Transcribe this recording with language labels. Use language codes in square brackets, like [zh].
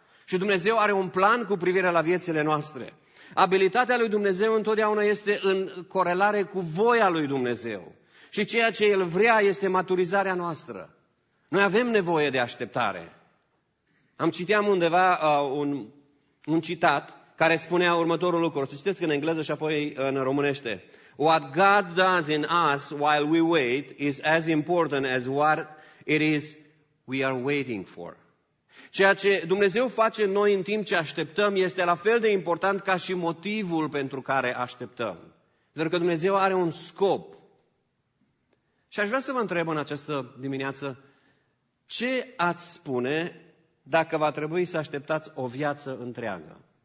[ro] Și Dumnezeu are un plan cu privire la viețile noastre. Abilitatea lui Dumnezeu întotdeauna este în corelare cu voia lui Dumnezeu. Și ceea ce El vrea este maturizarea noastră. Noi avem nevoie de așteptare. Am citit undeva un citat care spunea următorul lucru. Să citesc în engleză și apoi în românește. [en] What God does in us while we wait is as important as what it is we are waiting for. [ro] Ceea ce Dumnezeu face noi în timp ce așteptăm este la fel de important ca și motivul pentru care așteptăm. Pentru că Dumnezeu are un scop. Și aș vrea să vă întreb în această dimineață, ce ați spune dacă va trebui să așteptați o viață întreagă?